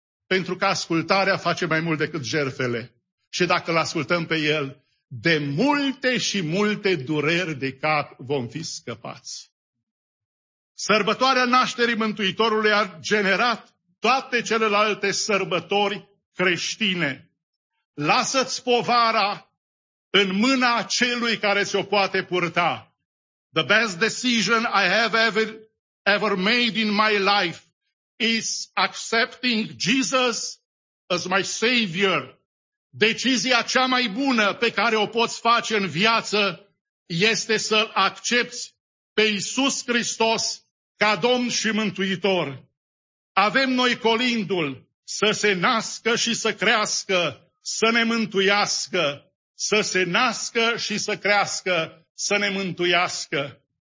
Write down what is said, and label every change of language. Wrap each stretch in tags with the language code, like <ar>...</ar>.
<ro>Pentru că ascultarea face mai mult decât jertfele. Și dacă l-ascultăm pe El, de multe și multe dureri de cap vom fi scăpați. Sărbătoarea nașterii Mântuitorului a generat toate celelalte sărbători creștine. Lasă-ți povara în mâna celui care ți-o poate purta.</ro> <en>The best decision I have ever made in my life is accepting Jesus as my Savior.</en> <ro>Decizia cea mai bună pe care o poți face în viață este să-L accepți pe Iisus Hristos ca Domn și Mântuitor. Avem noi colindul să se nască și să crească, să ne mântuiască, să se nască și să crească, să ne mântuiască.</ro>